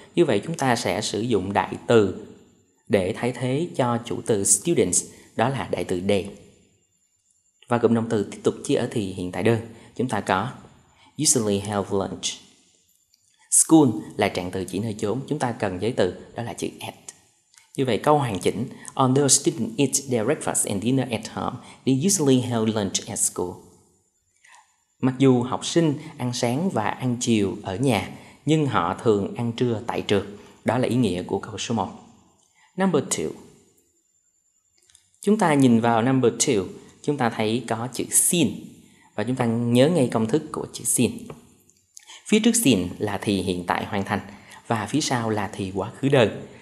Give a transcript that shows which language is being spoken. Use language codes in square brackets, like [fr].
[vi] Như vậy chúng ta sẽ sử dụng đại từ để thay thế cho chủ từ students, đó là đại từ they. Và cụm động từ tiếp tục chia ở thì hiện tại đơn. Chúng ta có usually have lunch. School là trạng từ chỉ nơi chốn. Chúng ta cần giới từ, đó là chữ at. Như vậy câu hoàn chỉnh: [en] although students eat their breakfast and dinner at home, they usually have lunch at school. [vi] Mặc dù học sinh ăn sáng và ăn chiều ở nhà, nhưng họ thường ăn trưa tại trường. Đó là ý nghĩa của câu số 1. Number 2. Chúng ta nhìn vào number 2, chúng ta thấy có chữ seen. Và chúng ta nhớ ngay công thức của chữ seen. Phía trước seen là thì hiện tại hoàn thành, và phía sau là thì quá khứ đơn.